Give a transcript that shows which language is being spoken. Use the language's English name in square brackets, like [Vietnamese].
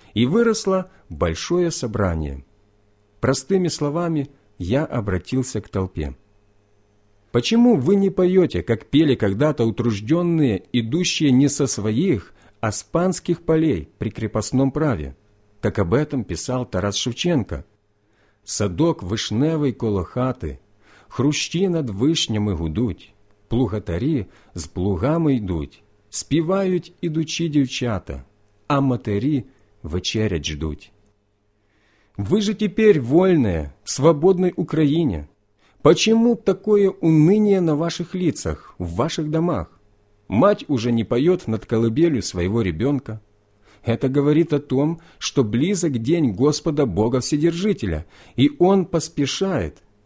[Russian] И выросло большое собрание. Простыми словами, я обратился к толпе: «Почему вы не поете, как пели когда-то утружденные, идущие не со своих, а с панских полей при крепостном праве?» [Ukrainian] Как об этом писал Тарас Шевченко: «Садок вишневий коло хати, хрущі над вишнями гудуть, плугатарі з плугами йдуть, співають ідучі дівчата, а матері вечерять ждуть». [Russian] Ви же теперь вольные, в свободной Украине. Почему такое уныние на ваших лицах, в ваших домах? Мать уже не поет над колыбелью своего ребенка. Это говорит о том, что близок день Господа Бога Вседержителя, и Он поспешает.